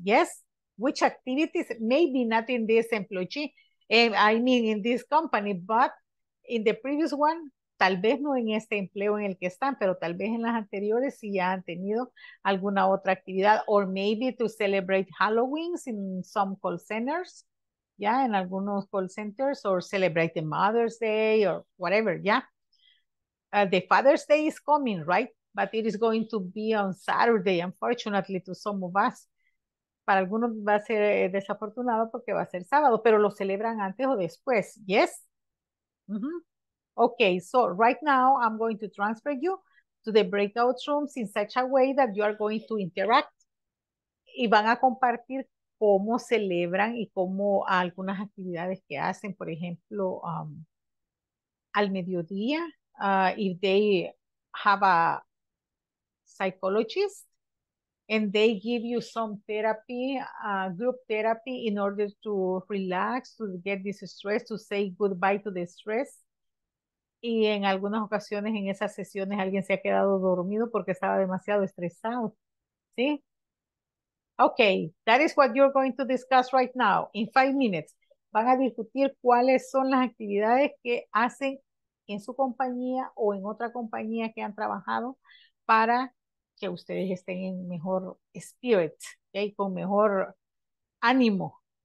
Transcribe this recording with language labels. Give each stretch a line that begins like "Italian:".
English: Yes, which activities, maybe not in this employee, I mean in this company, but in the previous one,
Spanish: tal vez no en este empleo en el que están, pero tal vez en las anteriores sí ya han tenido alguna otra actividad,
English: or maybe to celebrate Halloween in some call centers, ya yeah,
Spanish: en algunos call centers,
English: or celebrate the Mother's Day, or whatever, ya. Yeah. The Father's Day is coming, right? But it is going to be on Saturday, unfortunately, to some of us.
Spanish: Para algunos va a ser desafortunado porque va a ser sábado, pero lo celebran antes o después.
English: Yes? Mm-hmm. Okay, so right now I'm going to transfer you to the breakout rooms in such a way that you are going to interact.
Spanish: Y van a compartir cómo celebran y cómo algunas actividades que hacen, por ejemplo, al mediodía.
English: If they have a psychologist and they give you some therapy, group therapy in order to relax, to get this stress, to say goodbye to the stress.
Spanish: Y en algunas ocasiones en esas sesiones alguien se ha quedado dormido porque estaba demasiado estresado. ¿Sí?
English: Okay, that is what you're going to discuss right now. In 5 minutes,
Spanish: van a discutir cuáles son las actividades que hacen en su compañía o en otra compañía que han trabajado para que ustedes estén en mejor spirit, ¿okay? Con mejor ánimo.